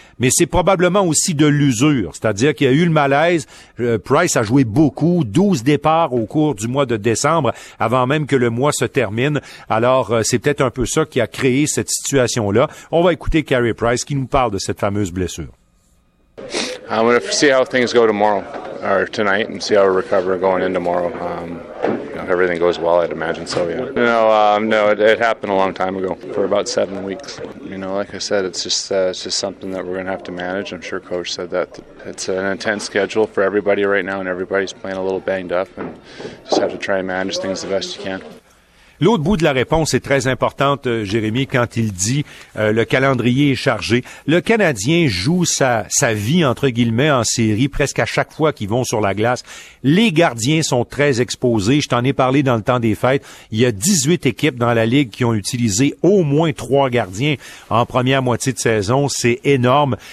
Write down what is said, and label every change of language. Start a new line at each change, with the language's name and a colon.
French: Mais c'est probablement aussi de l'usure, c'est-à-dire qu'il y a eu le malaise. Price a joué beaucoup, 12 départs au cours du mois de décembre, avant même que le mois se termine. Alors, c'est peut-être un peu ça qui a créé cette situation-là. On va écouter Carey Price qui nous parle de cette fameuse blessure.
English: I'm going to see how things go tomorrow or tonight and see how we recover going in tomorrow. If everything goes well, I'd imagine so, yeah. No, it happened a long time ago, for about 7 weeks. You know, like I said, it's just something that we're going to have to manage. I'm sure Coach said that. It's an intense schedule for everybody right now, and everybody's playing a little banged up, and just have to try and manage things the best you can.
French: L'autre bout de la réponse est très importante, Jérémy, quand il dit le calendrier est chargé. Le Canadien joue sa vie, entre guillemets, en série presque à chaque fois qu'ils vont sur la glace. Les gardiens sont très exposés. Je t'en ai parlé dans le temps des fêtes. Il y a 18 équipes dans la Ligue qui ont utilisé au moins 3 gardiens en première moitié de saison. C'est énorme.